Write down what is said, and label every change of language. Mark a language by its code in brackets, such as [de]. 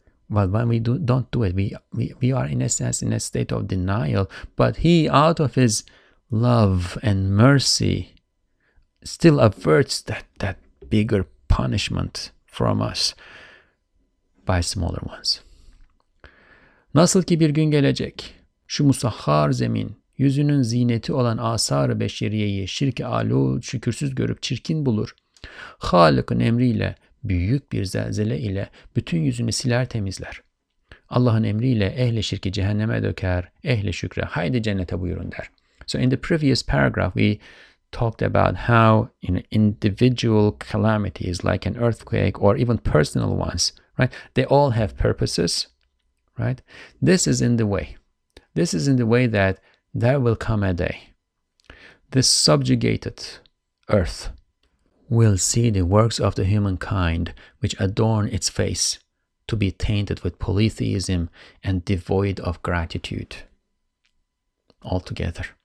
[en] But when we don't do it, we are in a sense in a state of denial. But He, out of His love and mercy, still averts that bigger punishment from us by smaller ones. [tr] Nasıl ki bir gün gelecek, şu musahhar zemin, yüzünün ziyneti olan asar-ı beşeriyeyi şirk-i alûd şükürsüz görüp çirkin bulur. Halık'ın emriyle, büyük bir zelzele ile bütün yüzünü siler temizler. Allah'ın emriyle ehli şirki cehenneme döker, ehli şükre haydi cennete buyurun der. [en] So in the previous paragraph we talked about how, you know, individual calamities like an earthquake or even personal ones, right? They all have purposes, right? This is in the way. This is in the way that there will come a day. This subjugated earth will see the works of the humankind which adorn its face to be tainted with polytheism and devoid of gratitude altogether.